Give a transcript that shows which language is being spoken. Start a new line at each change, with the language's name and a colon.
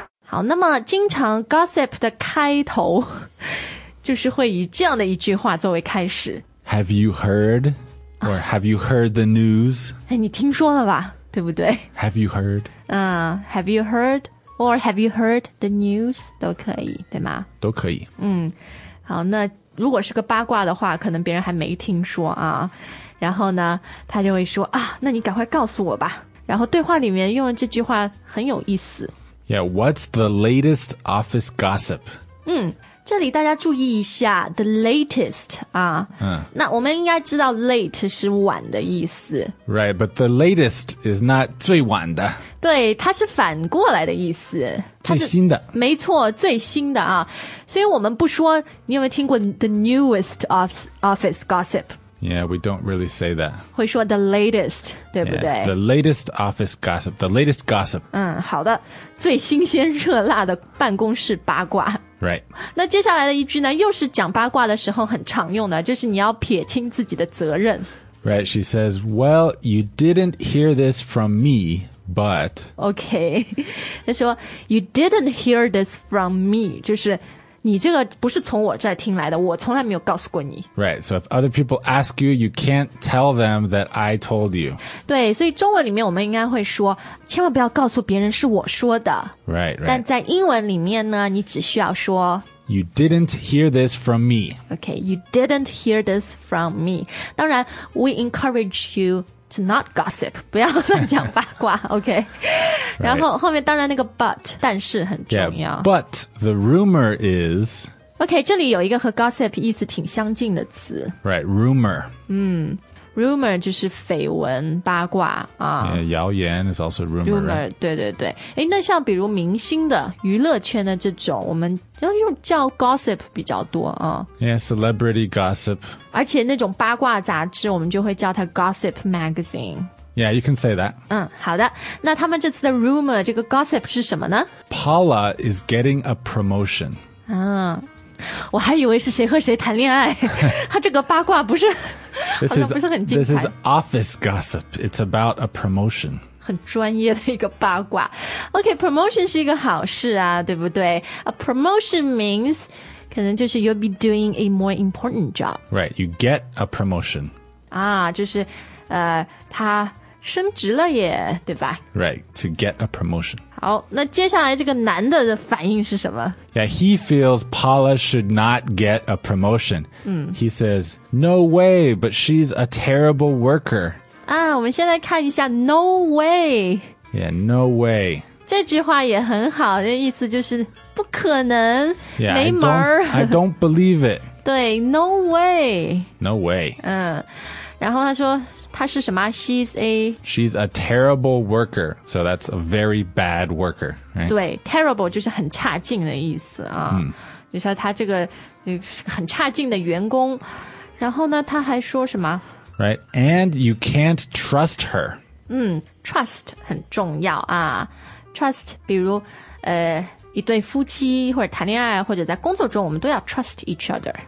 Chinese: Okay, 那么经常 gossip 的开头就是会以这样的一句话作为开始。
English: Have you heard? Or have you heard the news?
Chinese: 哎，你听说了吧，对不对？
English: Have you heard? Have you heard? Or have you heard the news?
Chinese: 都可以，对吗？都可以。好，那如果是个八卦的话，可能别人还没听说啊。然后呢，他就会说啊，那你赶快告诉我吧。然后对话里面用这句话很有意思。
English: Yeah, what's the latest office gossip?
Chinese: 这里大家注意一下 the latest 啊。那我们应该知道 late 是晚的意思。
English: Right, but the latest is not
Chinese: 最晚的。对，它是反过来的意思，最新的，没错，最新的啊。所以我们不说，你有没有听过
English: the newest office gossip? Yeah, we don't really say that.
Chinese: 会说 the latest, 对不对？
English: Yeah, the latest office gossip, the latest gossip.
Chinese: 好的，最新鲜热辣的办公室八卦。
English: Right.
Chinese: 那接下来的一句呢，又是讲八卦的时候很常用的，就是你要撇清自己的责任。
English: Right, she says, well, you didn't hear this from me. But,
Chinese: okay, 他说
English: you didn't hear this from me,
Chinese: 就是你这个不是从我这儿听来的，我从来没有告诉过你。
English: Right, so if other people ask you, you can't tell them that I told you.
Chinese: 对，所以中文里面我们应该会说，千万不要告诉别人是我说的。
English: Right, right.
Chinese: 但在英文里面呢，你只需要说
English: You didn't hear this from me. Okay, you didn't hear this from me.
Chinese: 当然
English: we encourage youTo not gossip,
Chinese: 不要乱讲八卦,
English: OK? Right.
Chinese: 然后后面当然那个 but, 但是很重要。
English: Yeah, but the rumor is...
Chinese: OK, 这里有一个和 gossip 意思挺相近的词。
English: Right, rumor.
Chinese: Rumor 就是绯闻八卦。
English: Yeah, 谣言 is also rumor. Rumor, right?
Chinese: 对对对。诶，那像比如明星的娱乐圈的这种我们要用叫 gossip 比较多。
English: Yeah, celebrity gossip.
Chinese: 而且那种八卦杂志我们就会叫它 gossip magazine.
English: Yeah, you can say that.
Chinese: 好的。那他们这次的 rumor, 这个 gossip 是什么呢？
English: Paula is getting a promotion.
Chinese: 我还以为是谁和谁谈恋爱。他这个八卦不是
English: This is, office gossip. It's about a promotion.
Chinese: 很专业的一个八卦。 Okay, promotion 是一个好事啊，对不对？
English: A promotion means
Chinese: 可能就是
English: you'll be doing a more important job. Right, you get a promotion.
Chinese: 就是他升职了耶，对吧？
English: Right, to get a promotion.
Chinese: 好，那接下来这个男的的反应是什么？
English: Yeah, he feels Paula should not get a promotion. He says, no way, but she's a terrible worker.
Chinese: 我们先来看一下 no way.
English: Yeah, no way.
Chinese: 这句话也很好，这意思就是不可能，
English: yeah,
Chinese: 没门儿。
English: I don't believe it.
Chinese: 对， no way.
English: No way.
Chinese: 然后他说她是什么?
English: She's a terrible worker. So that's a very bad worker, right?
Chinese: 对, terrible 就是很差劲的意思啊。就是她这个很差劲的员工。然后呢,她还说什么?
English: Right, and you can't trust her.
Chinese: Trust 很重要啊。Trust, 比如一对夫妻或者谈恋爱或者在工作中我们都要
English: trust each other.